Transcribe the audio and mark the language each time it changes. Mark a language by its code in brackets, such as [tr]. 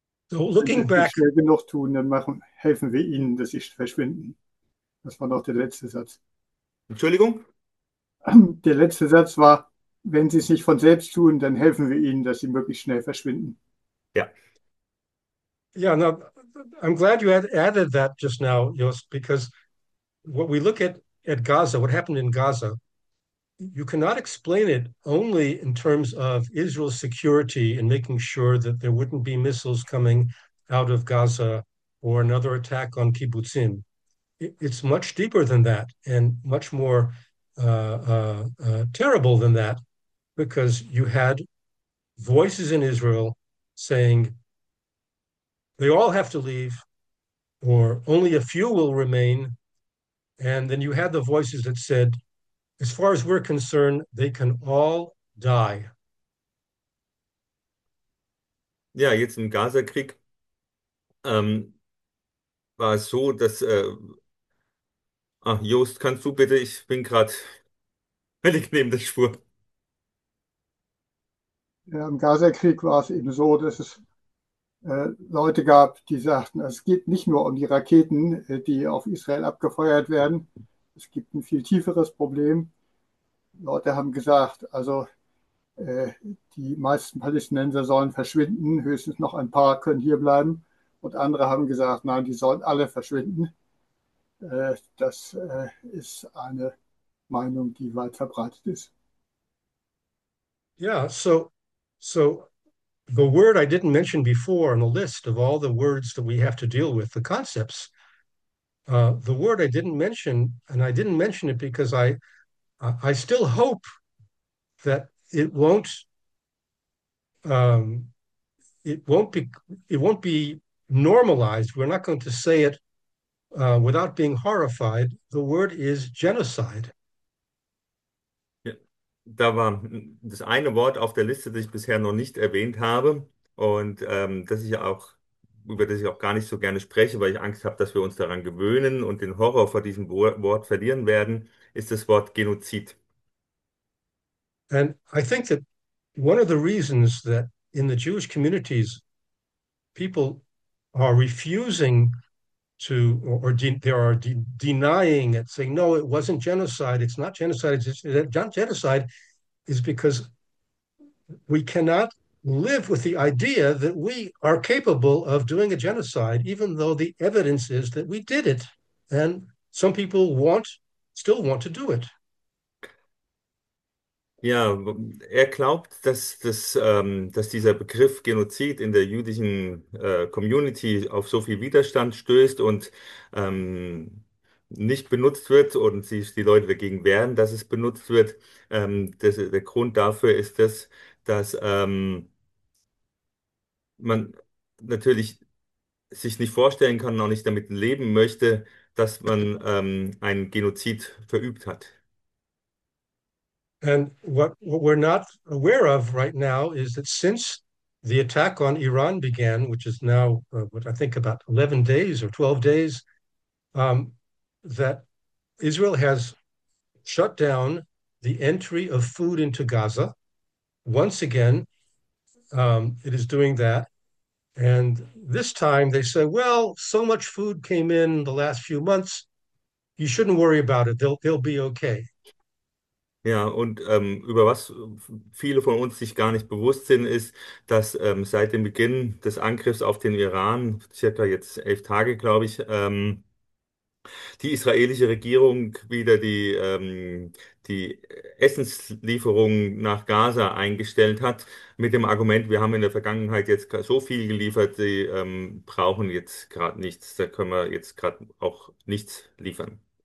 [en] So, [de] Wenn sie [en] looking [de] es nicht [en] back, [de] schnell genug tun, dann helfen wir ihnen, dass sie verschwinden. Das war noch der letzte Satz. Entschuldigung? Der letzte Satz war, wenn sie es nicht von selbst tun, dann helfen wir ihnen, dass sie möglichst schnell verschwinden. [en] Yeah, no, I'm glad you had added that just now, Jos, because what we look at Gaza, what happened in Gaza, you cannot explain it only in terms of Israel's security and making sure that there wouldn't be missiles coming out of Gaza or another attack on kibbutzim. It's much deeper than that and much more terrible than that, because you had voices in Israel saying they all have to leave, or only a few will remain. And then you had the voices that said, as far as we're concerned, they can all die. [de] Ja, jetzt im Gazakrieg war es so, dass. Ach, Jost, kannst du bitte? Ich bin gerade völlig neben der Spur. Ja, im Gazakrieg war es eben so, dass es Leute gab, die sagten, es geht nicht nur um die Raketen, die auf Israel abgefeuert werden. Es gibt ein viel tieferes Problem. Leute haben gesagt, also die meisten Palästinenser sollen verschwinden, höchstens noch ein paar können hier bleiben. Und andere haben gesagt, nein, die sollen alle verschwinden. Das ist eine Meinung, die weit verbreitet ist. [en] Yeah, so the word I didn't mention before on the list of all the words that we have to deal with, the concepts, the word I didn't mention, and I didn't mention it because I still hope that it won't be normalized. We're not going to say it without being horrified. The word is genocide. [de] Da war das eine Wort auf der Liste, das ich bisher noch nicht erwähnt habe und über das ich auch gar nicht so gerne spreche, weil ich Angst habe, dass wir uns daran gewöhnen und den Horror vor diesem Wort verlieren werden, ist das Wort Genozid. [en] And I think that one of the reasons that in the Jewish communities people are refusing to, or de they are de denying it, saying, no, it wasn't genocide, it's not genocide, it's not genocide, is because we cannot live with the idea that we are capable of doing a genocide, even though the evidence is that we did it. And some people still want to do it. [de] Ja, er glaubt, dass dieser Begriff Genozid in der jüdischen Community auf so viel Widerstand stößt und nicht benutzt wird und sich die Leute dagegen wehren, dass es benutzt wird. Der Grund dafür ist dass man natürlich sich nicht vorstellen kann und auch nicht damit leben möchte, dass man einen Genozid verübt hat. [en] And what we're not aware of right now is that since the attack on Iran began, which is now what I think about 11 days or 12 days, that Israel has shut down the entry of food into Gaza. Once again, it is doing that. And this time they say, well, so much food came in the last few months, you shouldn't worry about it. They'll be okay. [de] Ja, und über was viele von uns sich gar nicht bewusst sind, ist, dass seit dem Beginn des Angriffs auf den Iran, circa jetzt 11 Tage, glaube ich, die israelische Regierung wieder die Essenslieferungen nach Gaza eingestellt hat, mit dem Argument, wir haben in der Vergangenheit jetzt so viel geliefert, sie brauchen jetzt gerade nichts, da können wir jetzt gerade auch nichts liefern.